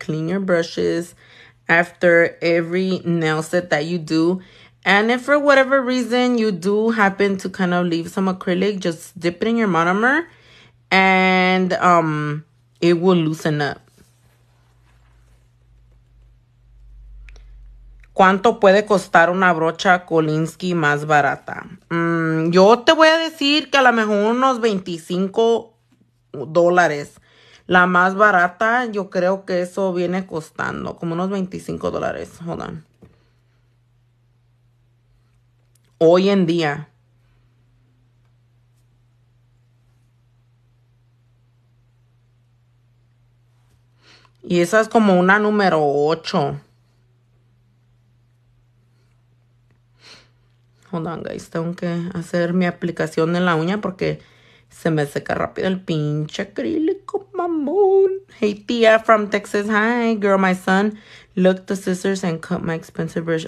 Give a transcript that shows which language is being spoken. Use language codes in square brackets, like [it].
[en] Clean your brushes after every nail set that you do. And if for whatever reason you do happen to kind of leave some acrylic, just dip it in your monomer and it will loosen up. [es] ¿Cuánto puede costar una brocha Kalinske más barata? Yo te voy a decir que a lo mejor unos $25. La más barata, yo creo que eso viene costando como unos $25. [en] Hold on. [es] Hoy en día. Y esa es como una número 8. [en] Hold on, guys. [es] Tengo que hacer mi aplicación en la uña porque se me seca rápido el pinche acrílico, mamón. [en] Hey, tía from Texas. Hi, girl. My son looked the scissors and cut my expensive brush.